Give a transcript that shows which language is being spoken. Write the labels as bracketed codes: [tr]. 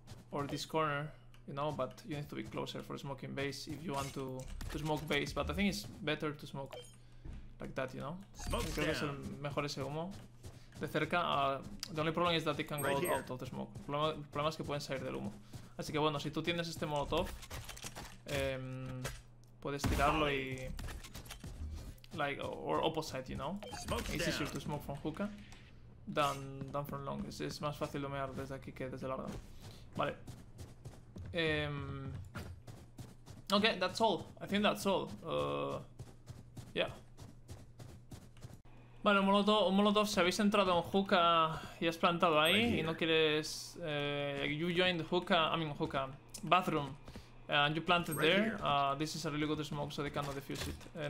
[en] Or this corner, you know, but you need to be closer for smoking base if you want to smoke base. But I think it's better to smoke like like that, you know? [es] Creo que es el mejor ese humo. De cerca, [en] the only problem is that they can go out of the smoke. [es] El problema es que pueden salir del humo. Así que bueno, si tú tienes este molotov, puedes tirarlo y... [en] Like, or opposite, you know? It's easier to smoke from hookah than from long. [es] Es más fácil domear desde aquí que desde larga. Vale. [en] Okay, that's all. I think that's all. Yeah. [es] Vale, un molotov, si habéis entrado en hookah y has plantado ahí y no quieres... [en] you joined hookah, I mean hookah, bathroom, and you planted there, this is a really good smoke, so they cannot defuse it.